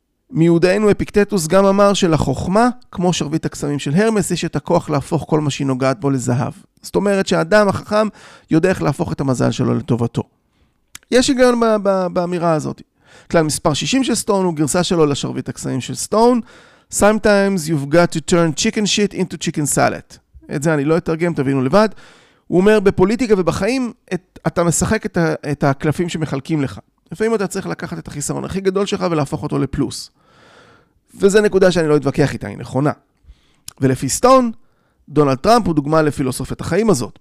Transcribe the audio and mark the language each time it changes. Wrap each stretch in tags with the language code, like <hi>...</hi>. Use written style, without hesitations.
<he>מיהודאינו אפיקטטוס גם אמר שלחוכמה, כמו שרבית הקסמים של הרמס, יש את הכוח להפוך כל מה שהיא נוגעת בו לזהב. זאת אומרת שהאדם החכם יודע איך להפוך את המזל שלו לטובתו. יש היגיון באמירה הזאת. כלל מספר 60 של סטון הוא גרסה שלו לשרבית הקסמים של סטון.</he> <en>Sometimes you've got to turn chicken shit into chicken salad.</en> <he>את זה אני לא אתרגם, תבינו לבד. הוא אומר, בפוליטיקה ובחיים, אתה משחק את הקלפים שמחלקים לך. לפעמים אתה צריך לקחת את החיסרון הכי גדול שלך ולהפוך אותו לפלוס. וזו נקודה שאני לא אתווכח איתה, היא נכונה. ולפי סטון, דונלד טראמפ הוא דוגמה לפילוסופת החיים הזאת.</he>